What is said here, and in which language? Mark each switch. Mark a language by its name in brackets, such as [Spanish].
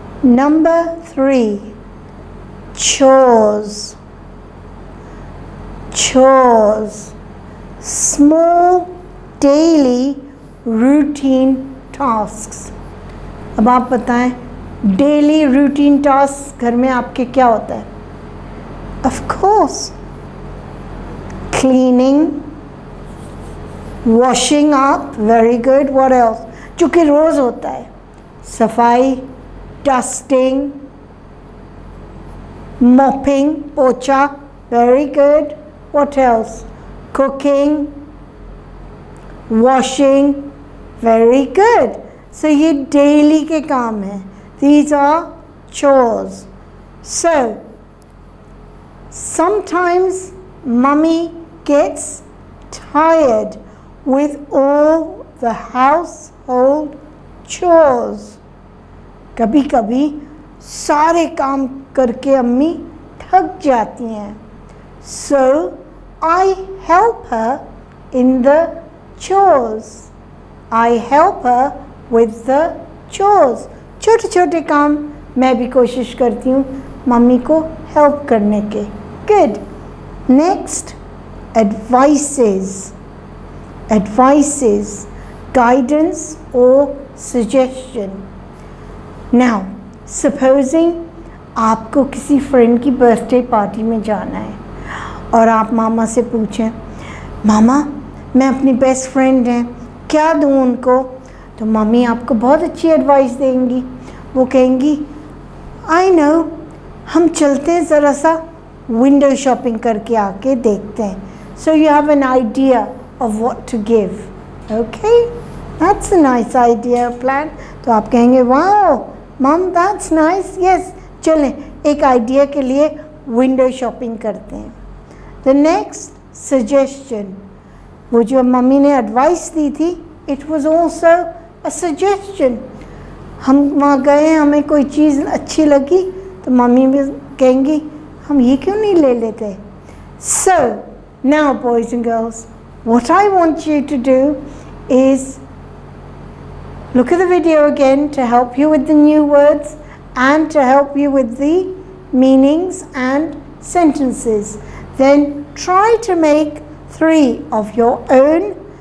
[English] Number three, chores. Chores, small daily routine tasks. [Hindi] अब आप बताएं, [English] daily routine tasks [Hindi] घर में आपके क्या होता है? [English] Of course, cleaning, washing up, very good. What else? [Hindi] जो कि रोज होता है, सफाई, dusting, mopping, पोछा, very good. [English] What else? Cooking, washing, very good. So [Hindi] ye daily ke kaam hai. [English] These are chores. So sometimes mummy gets tired with all the household chores. [Hindi] Kabhi kabhi sare kaam karke ammi thak jaati hain. [English] So I help her in the chores. I help her with the chores. [Hindi] छोटे छोटे काम मैं भी कोशिश करती हूँ mummy को help करने के. [English] Good. Next, advices. Advices, guidance or suggestion. Now, supposing [Hindi] आपको किसी friend की birthday party में जाना है और आप मामा से पूछें, मामा मैं अपनी बेस्ट फ्रेंड हैं, क्या दूं उनको? तो मम्मी आपको बहुत अच्छी एडवाइस देंगी. वो कहेंगी, [English] I know, [Hindi] हम चलते हैं ज़रा सा विंडो शॉपिंग करके आके देखते हैं. [English] So you have an idea of what to give. Okay, that's a nice idea plan. [Hindi] तो आप कहेंगे, [English] wow mum, that's nice, yes, [Hindi] चलें एक आइडिया के लिए विंडो शॉपिंग करते हैं. [English] The next suggestion, [Hindi] वो जो मम्मी ने एडवाइस दी थी, [English] it was also a suggestion. [Hindi] हम वहाँ गए, हमें कोई चीज़ अच्छी लगी, तो मम्मी भी कहेंगी, हम ये क्यों नहीं ले लेते? [English] So, now boys and girls, what I want you to do is look at the video again to help you with the new words and to help you with the meanings and sentences. Then try to make three of your own.